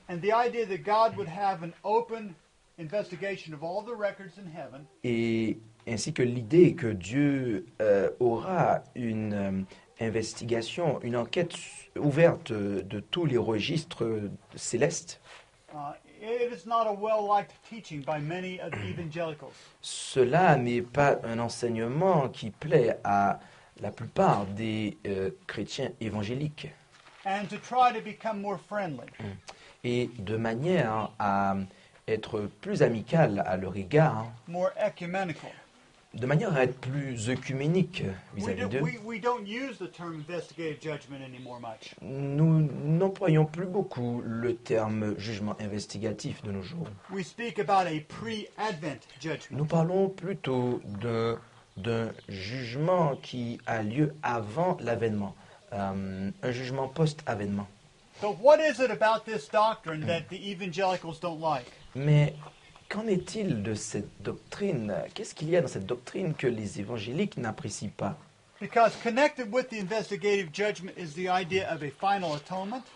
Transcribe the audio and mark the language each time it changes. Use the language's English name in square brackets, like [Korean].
[English] And the idea that God would have an open investigation of all the records in heaven. [French] Et ainsi que l'idée que Dieu aura une investigation, une enquête ouverte de tous les registres célestes. [English] It is not a well-liked teaching by many of evangelicals. [French] Cela n'est pas un enseignement qui plaît à la plupart des chrétiens évangéliques. [English] And to try to become more friendly. [French] Et de manière à être plus amical à leur égard, [English] more ecumenical. [French] De manière à être plus œcuménique vis-à-vis d'eux, [English] we don't use the term investigative judgment anymore much. [French] Nous n'employons plus beaucoup le terme jugement investigatif de nos jours. [English] We speak about a pre-advent judgment. [French] Nous parlons plutôt d'un jugement qui a lieu avant l'avènement, un jugement post-avènement. [English] But what is it about this doctrine that the evangelicals don't like? [French] Mais qu'en est-il de cette doctrine? Qu'est-ce qu'il y a dans cette doctrine que les évangéliques n'apprécient pas? [English] Because connected with the investigative judgment is the idea of a final atonement.